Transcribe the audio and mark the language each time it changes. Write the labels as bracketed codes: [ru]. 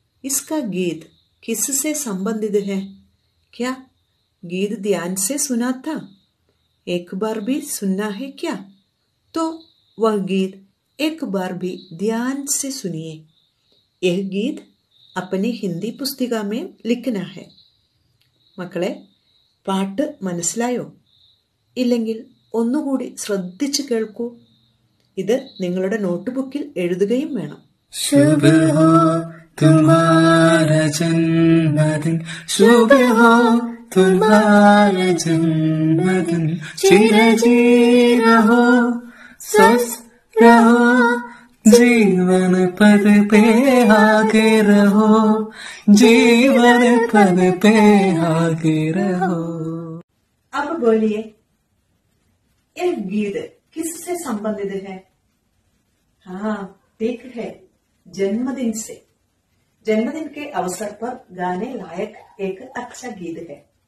[hi] इसका गीत किससे संबंधित है? क्या गीत ध्यान से सुना था? एक बार भी सुनना है क्या? तो वह गीत एक बार भी ध्यान से सुनिए। यह गीत अपनी हिंदी पुस्तिका में लिखना है। [ml] മക്കളെ, പാട്ട് മനസ്സിലായോ? ഇല്ലെങ്കിൽ ഒന്നുകൂടി ശ്രദ്ധിച്ചു കേൾക്കൂ. ഇത് നിങ്ങളുടെ നോട്ട്ബുക്കിൽ എഴുതുകയും വേണം. [hi] ശുഭ ഹോ തുമാര ജന്മദിൻ, ശുഭ ഹോ തുമാര ജന്മദിൻ, ചിരജീവ രഹോ സ്വസ്ഥ രഹോ, जीवन पद पे आगे रहो, जीवन पद पे आगे रहो। अब बोलिए, यह गीत किससे संबंधित है? हाँ, ठीक है, जन्मदिन से। जन्मदिन के अवसर पर गाने लायक एक अच्छा गीत है।